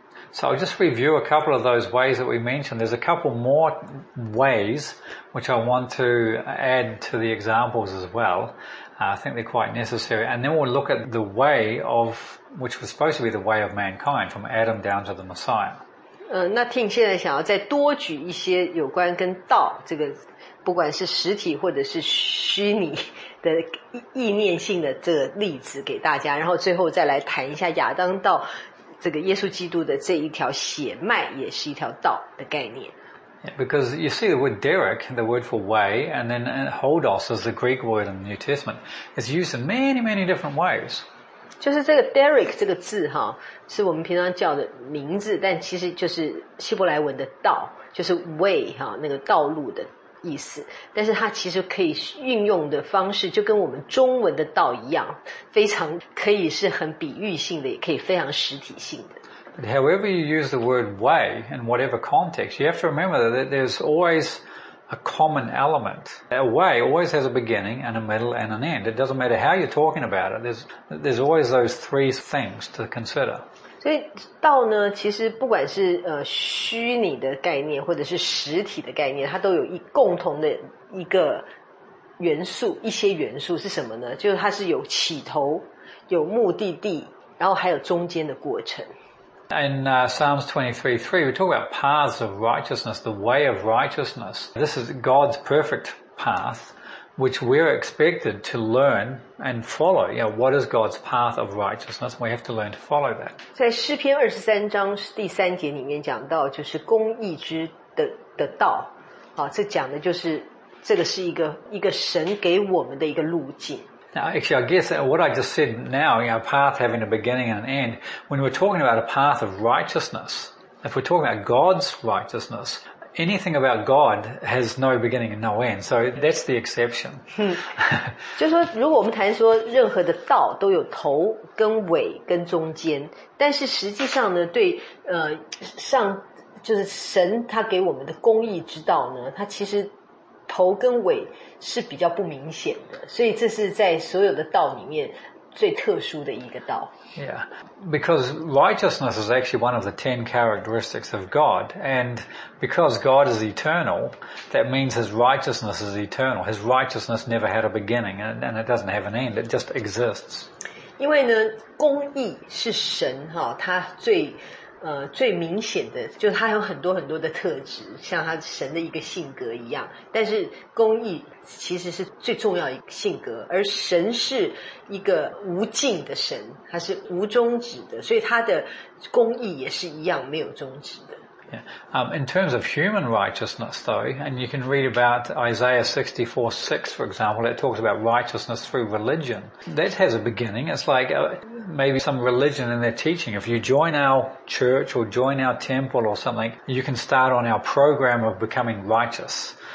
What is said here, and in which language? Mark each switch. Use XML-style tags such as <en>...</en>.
<en>So I'll just review a couple of those ways that we mentioned. There's a couple more ways which I want to add to the examples as well. I think they're quite necessary. And then we'll look at the way of, which was supposed to be the way of mankind from Adam down to the Messiah.</en> <zh>那 Tim 现在想要再多举一些有关跟道这个不管是实体或者是虚拟的意念性的这个例子给大家，然后最后再来谈一下亚当道这个耶稣基督的这一条血脉也是一条道的概念。</zh> <en>Yeah, because you see the word derek, the word for way, and then holdos is the Greek word in the New Testament. It's used in many, many different ways.</en> <zh>就是这个 derek 这个字哈，是我们平常叫的名字，但其实就是希伯来文的道，就是 way 哈，那个道路的意思。但是它其实可以运用的方式就跟我们中文的道一样，非常可以是很比喻性的，也可以非常实体性的。</zh> <en>But however you use the word way in whatever context, you have to remember that there's always a common element. A way always has a beginning and a middle and an end. It doesn't matter how you're talking about it, there's always those three things to consider.</en> <zh>所以道呢，其实不管是虚拟的概念或者是实体的概念，它都有一共同的一个元素，一些元素是什么呢？就是它是有起头，有目的地，然后还有中间的过程。</zh> <en>In Psalms 23:3, we talk about paths of righteousness, the way of righteousness. This is God's perfect path, which we're expected to learn. And follow, you know, what is God's path of righteousness? We have to learn to follow that.</en> <zh>在诗篇二十三章第三节里面讲到，就是公义之的道。好，这讲的就是这个是一个神给我们的一个路径。</zh> <en>Now, actually, I guess what I just said now, you know, path having a beginning and an end, when we're talking about a path of righteousness, if we're talking about God's righteousness, anything about God has no beginning and no end. So that's the exception.</en> <zh>就是说如果我们谈说任何的道都有头跟尾跟中间，但是实际上呢，对上就是神他给我们的公义之道呢，他其实头跟尾是比较不明显的，所以这是在所有的道里面最特殊的一个道。</zh> <en>Yeah, because righteousness is actually one of the 10 characteristics of God, and because God is eternal, that means His righteousness is eternal. His righteousness never had a beginning, and it doesn't have an end, it just exists.</en> <zh>因为呢，公义是神哈，他最最明显的就是他有很多很多的特质，像他神的一个性格一样，但是公义其实是最重要的一个性格，而神是一个无尽的神，他是无终止的，所以他的公义也是一样没有终止的。</zh> <en>Yeah. In terms of human righteousness, though, and you can read about Isaiah 64:6, for example, it talks about righteousness through religion. That has a beginning. It's like maybe some religion in their teaching. If you join our church or join our temple or something, you can start on our program of becoming righteous.</en>